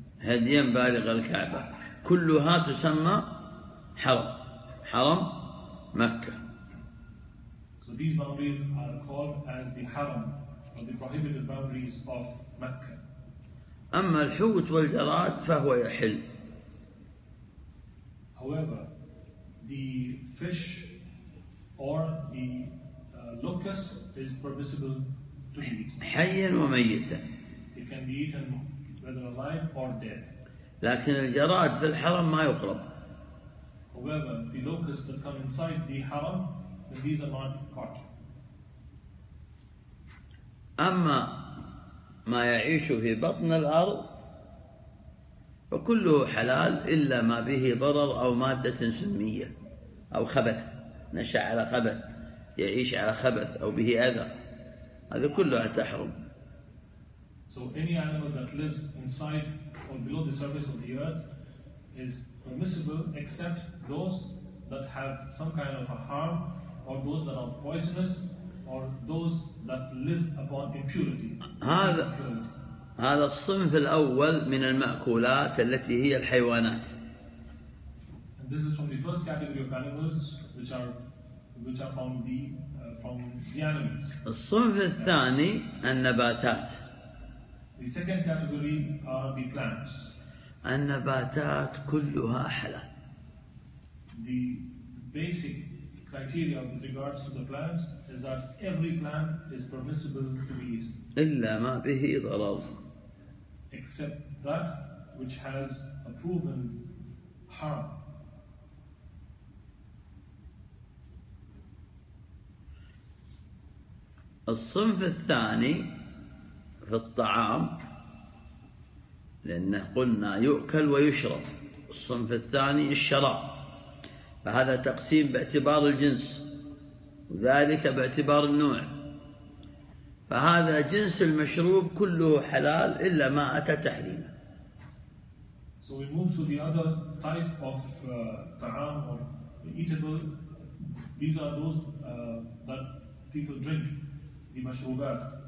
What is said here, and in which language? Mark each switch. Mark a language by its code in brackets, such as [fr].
[ar] هديًا بالغ الكعبة كلها تسمى حرم. حرم مكة. [en] So these boundaries are called as the Haram, or the prohibited boundaries of Mecca. [ar] أما الحوت والجراد فهو يحل. [en] However, the fish or the locust is permissible to eat. It can be eaten whether alive or dead. [ar] لكن الجراد في الحرم ما يقرب. [en] However, the locusts that come inside the haram, these are not caught. [ar] أما ما يعيش في بطن الأرض فكله حلال إلا ما به ضرر أو مادة سمية أو خبث نشأ على خبث يعيش على خبث أو به أذى هذا كله تحرم. [en] So any animal that lives inside or below the surface of the earth is permissible except those that have some kind of a harm or those that are poisonous or those that live upon impurity. [ar] هذا هذا الصنف الأول من المأكولات التي هي الحيوانات. [en] And this is from the first category of animals, which are from the animals. [ar] الصنف الثاني النباتات. [en] The second category are the plants. [ar] النباتات كلها حلال. [en] The basic criteria with regards to the plants is that every plant is permissible to be eaten. [ar] إلا ما به ضرر. [en] Except that which has a proven harm. [ar] الصنف الثاني في الطعام لأنه قلنا يؤكل ويشرب الصنف الثاني الشراب فهذا تقسيم باعتبار الجنس وذلك باعتبار النوع فهذا جنس المشروب كله حلال إلا ما أتى تحريمه. [en] So we move to the other type of ta'am or eatable. These are those that people drink, the mashrubat.